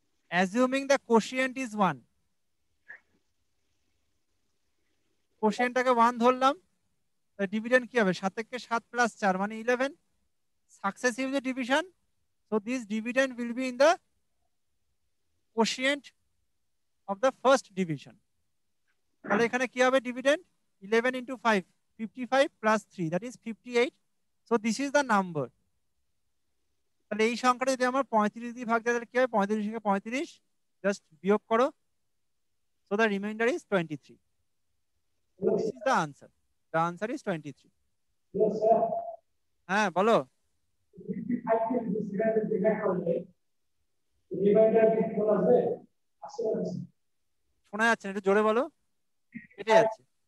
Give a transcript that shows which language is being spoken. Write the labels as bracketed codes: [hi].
[en] assuming the quotient is 1, [bn] কোশেনটাকে 1 ধরলাম, তাহলে dividend কি হবে? 7 কে 7 প্লাস 4 মানে 11, successively division, [en] So this dividend will be in the quotient of the first division. [bn] তাহলে এখানে কি হবে dividend 11 × 5 55 + 3 [en] that is 58 so this is the number [bn] তাহলে এই সংখ্যাটা যদি আমার 35 দিয়ে ভাগ দেয় তাহলে কি হবে 35 × 35 জাস্ট বিয়োগ করো [en] so the remainder is 23 [bn] so this is the answer is 23 হ্যাঁ বলো শোনা যাচ্ছে একটু জোরে বলো কেটে যাচ্ছে